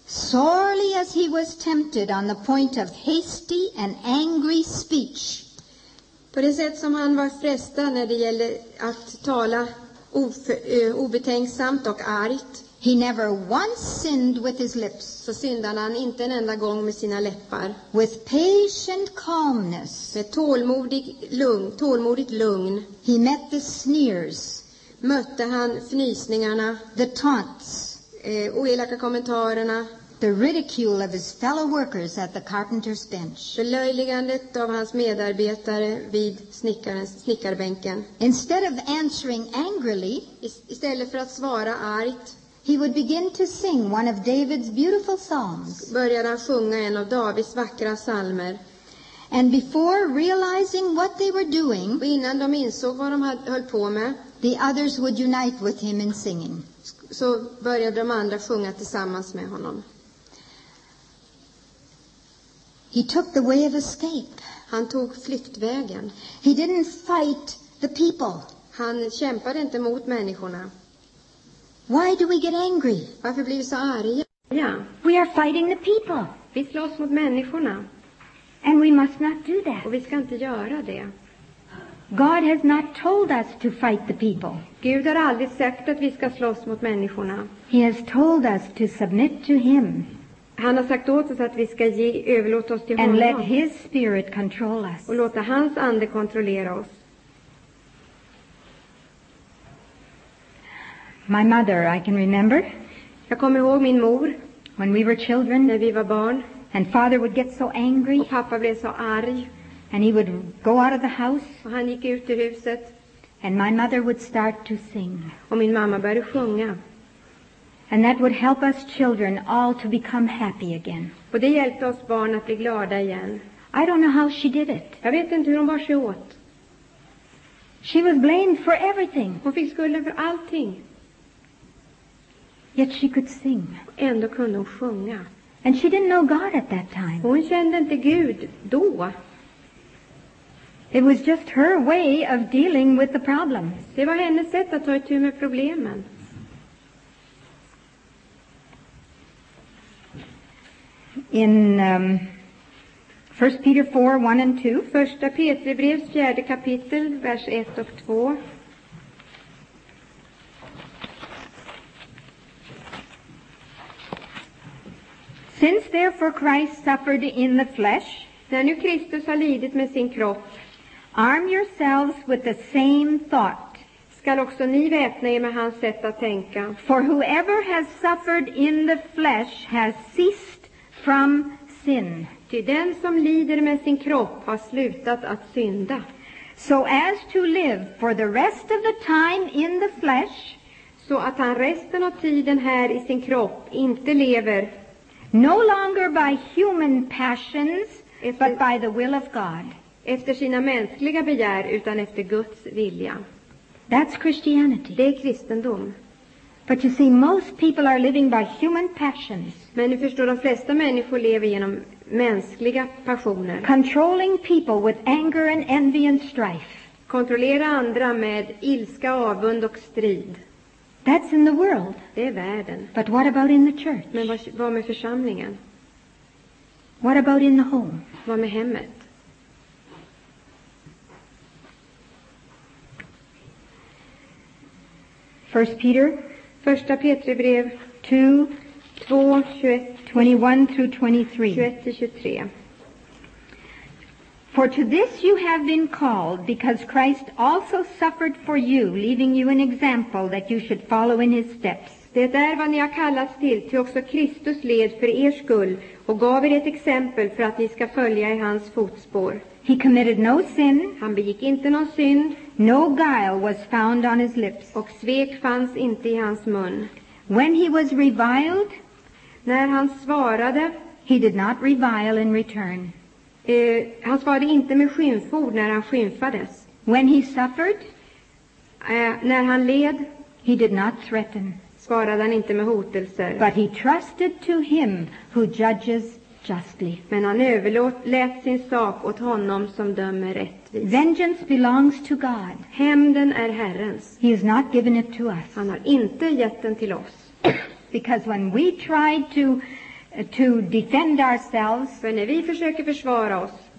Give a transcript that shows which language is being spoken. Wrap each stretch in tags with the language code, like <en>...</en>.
<en>Sorely as he was tempted on the point of hasty and angry speech.</en> <sv>På det sätt som han var frestad när det gäller att tala obetänksamt och argt.</sv> <en>He never once sinned with his lips.</en> <sv>Så syndade han inte en enda gång med sina läppar.</sv> <en>With patient calmness.</en> <sv>Med tålmodigt lugn.</sv> <en>He met the sneers.</en> <sv>Mötte han fnysningarna.</sv> <en>The taunts.</en> <sv>Oelaka kommentarerna.</sv> <en>The ridicule of his fellow workers at the carpenter's bench.</en> <sv>Förlöjligandet av hans medarbetare vid snickarbänken.</sv> <en>Instead of answering angrily,</en> <sv>istället för att svara argt,</sv> <en>he would begin to sing one of David's beautiful songs.</en> <sv>Började han sjunga en av Davids vackra psalmer.</sv> <en>And before realizing what they were doing,</en> <sv>och innan de insåg vad de hade höll på med,</sv> <en>the others would unite with him in singing.</en> <sv>Så började de andra sjunga tillsammans med honom.</sv> <en>He took the way of escape.</en> <sv>Han tog flyktvägen.</sv> <en>He didn't fight the people.</en> <sv>Han kämpade inte mot människorna.</sv> <en>Why do we get angry?</en> <sv>Varför blir vi så arga?</sv> <en>Yeah. We are fighting the people.</en> <sv>Vi slåss mot människorna.</sv> <en>And we must not do that.</en> <sv>Och vi ska inte göra det.</sv> <en>God has not told us to fight the people.</en> <sv>Gud har aldrig sagt att vi ska slåss mot människorna.</sv> <en>He has told us to submit to him.</en> <sv>Han har sagt åt oss att vi ska överlåta oss till</sv> <en>and</en> <sv>honom.</sv> <en>Let his spirit control us.</en> <sv>Och låta hans ande kontrollera oss.</sv> <en>My mother, I can remember.</en> <sv>Jag kommer ihåg min mor.</sv> <en>When we were children,</en> <sv>när vi var barn.</sv> <en>And father would get so angry.</en> <sv>Och pappa blev så arg.</sv> <en>And he would go out of the house.</en> <sv>Och han gick ut ur huset.</sv> <en>And my mother would start to sing.</en> <sv>Och min mamma började sjunga.</sv> <en>And that would help us children all to become happy again.</en> <sv>Och det hjälpte oss barn att bli glada igen.</sv> <en>I don't know how she did it.</en> <sv>Jag vet inte hur hon bar sig åt.</sv> <en>She was blamed for everything.</en> <sv>Hon fick skulden för allting.</sv> <en>Yet she could sing.</en> <sv>Ändå kunde hon sjunga.</sv> <en>And she didn't know God at that time.</en> <sv>Hon kände inte Gud då.</sv> <en>It was just her way of dealing with the problem.</en> <sv>Det var hennes sätt att ta itu med problemen.</sv> <en>In 1 Peter 4, 1 and 2.</en> <sv>Första Petribrevs fjärde kapitel, vers 1 och 2.</sv> <en>Since therefore Christ suffered in the flesh,</en> <sv>när nu Kristus har lidit med sin kropp,</sv> <en>arm yourselves with the same thought.</en> <sv>Skall också ni väpna er med hans sätt att tänka.</sv> <en>For whoever has suffered in the flesh has ceased from sin.</en> <sv>Ty den som lider med sin kropp har slutat att synda.</sv> <en>So as to live for the rest of the time in the flesh,</en> <sv>så att han resten av tiden här i sin kropp inte lever,</sv> <en>no longer by human passions, but by the will of God.</en> <sv>Efter sina mänskliga begär, utan efter Guds vilja.</sv> <en>That's Christianity.</en> <sv>Det är kristendom.</sv> <en>But you see, most people are living by human passions.</en> <sv>Men ni förstår, de flesta människor lever genom mänskliga passioner.</sv> <en>Controlling people with anger and envy and strife.</en> <sv>Kontrollera andra med ilska, avund och strid.</sv> <en>That's in the world.</en> <sv>Det är världen.</sv> <en>But what about in the church?</en> <sv>Men vad med församlingen?</sv> <en>What about in the home?</en> <sv>Vad med hemmet?</sv> <en>First Peter.</en> <sv>Första Petribrev 2:21-23.</sv> <en>For to this you have been called, because Christ also suffered for you, leaving you an example that you should follow in his steps.</en> <sv>Det är vad ni har kallats till, till också Kristus led för er skull och gav er ett exempel för att ni ska följa i hans fotspår.</sv> <en>He committed no sin.</en> <sv>Han begick inte någon synd.</sv> <en>No guile was found on his lips.</en> <sv>Och svek fanns inte i hans mun.</sv> <en>When he was reviled,</en> <sv>när han svarade,</sv> <en>he did not revile in return.</en> <sv>Han svarade inte med skymford när han skymfades.</sv> <en>When he suffered,</en> <sv>när han led,</sv> <en>he did not threaten.</en> <sv>Svarade han inte med hotelser.</sv> <en>But he trusted to him who judges justly.</en> <sv>Men han överlät sin sak åt honom som dömer rättvist.</sv> <en>Vengeance belongs to God.</en> <sv>Hämnden är Herrens.</sv> <en>He has not given it to us.</en> <sv>Han har inte gett den till oss.</sv> <en>Because when we tried to defend ourselves,</en> <sv>för när vi försöker försvara oss,</sv>